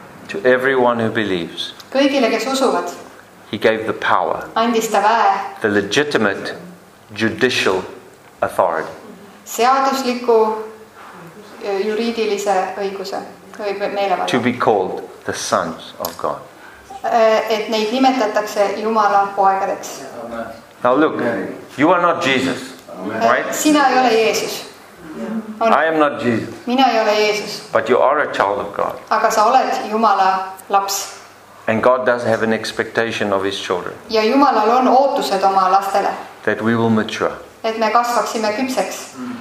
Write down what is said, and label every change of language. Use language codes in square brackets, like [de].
[en] To everyone who believes. [et] Kõigile, kes usuvad. [en] He gave the power. [et] Andis ta väe. [en] The legitimate judicial authority. [et] Seadusliku juriidilise õiguse. [en] To be called the sons of God. [et] Et neid nimetatakse Jumala poegadeks. [en] Now look, you are not Jesus, right? [et] Sina ei ole Jeesus. [en] I am not Jesus. [et] Mina ei ole Jeesus. [en] But you are a child of God. [et] Aga sa oled Jumala laps. [en] And God does have an expectation of his children. [et] Ja Jumalal on ootused oma lastele. [en] That we will mature. [et] Et me kasvaksime küpseks.